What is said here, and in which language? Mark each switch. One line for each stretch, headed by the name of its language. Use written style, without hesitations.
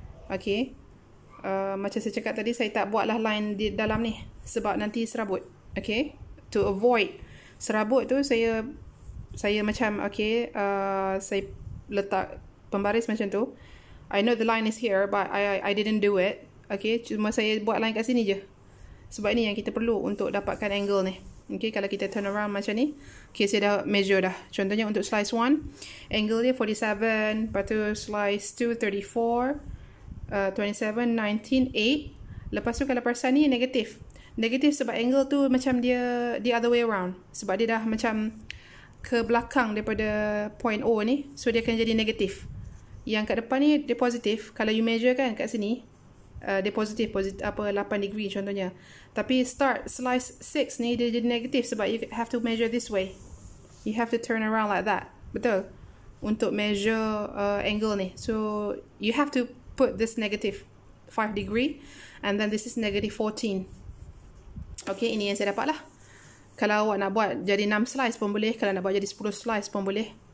Malay: Okay? Macam saya cakap tadi, saya tak buatlah line di dalam ni sebab nanti serabut. Okay?
English: To avoid
Malay: serabut tu, saya macam okay, saya letak pembaris macam tu.
English: I know the line is here, but I didn't do it.
Malay: Okay, cuma saya buat line kat sini je. Sebab ini yang kita perlu untuk dapatkan angle ni. Okay, kalau kita
English: turn around
Malay: macam ni. Okay, saya dah measure dah. Contohnya untuk slice 1, angle dia 47. Lepas tu slice 2, 34. 27, 19, 8. Lepas tu kalau perasan ni negatif. Negatif sebab angle tu macam dia
English: the other way around.
Malay: Sebab dia dah macam ke belakang daripada point O ni. So, dia akan jadi negatif. Yang kat depan ni, dia positif. Kalau you measure kan kat sini. Dia positif, positif apa 8 degree contohnya. Tapi start slice 6 ni dia jadi negatif sebab
English: you have to measure this way. You have to turn around like that.
Malay: Betul? Untuk measure angle ni.
English: So you have to put this negative 5 degree and then this is negative 14.
Malay: Okay, ini yang saya dapat lah. Kalau awak nak buat jadi 6 slice pun boleh, kalau nak buat jadi 10 slice pun boleh.